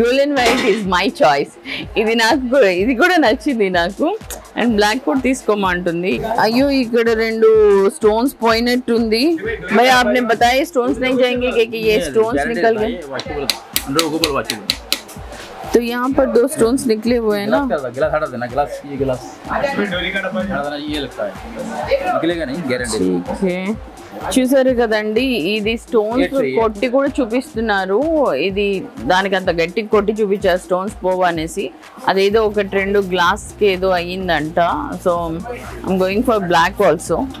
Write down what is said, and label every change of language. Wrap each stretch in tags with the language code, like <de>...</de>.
<en>Golden white is my choice.</en> <te>ఇది నాకు ఇది కూడా నచ్చింది నాకు. అండ్ బ్లాక్ కూడా తీసుకోమంటుంది. అయ్యో ఇక్కడ రెండు స్టోన్స్ పోయినట్టు ఉంది. మరి</te> <hi>ఆపనే బతాయే స్టోన్స్ నహీ జాయేంగే కే కి యే స్టోన్స్ నికల్ గయే. तो यहाँ पर दो स्टोन्स निकले हुए हैं ना. गिलास हटा देना, गिलास ये गिलास डोरी का डब्बा हटा देना. ये लगता है निकलेगा नहीं, गारंटी. ठीक है</hi> <te>చూసారు కదండీ, ఇది స్టోన్స్ కొట్టి కూడా చూపిస్తున్నారు. ఇది దానికంత గట్టి కొట్టి చూపించారు స్టోన్స్ పోవనేసి. అదేదో ఒక ట్రెండ్ గ్లాస్కి ఏదో అయ్యిందంట.</te> <en>So I'm going for black also.</en>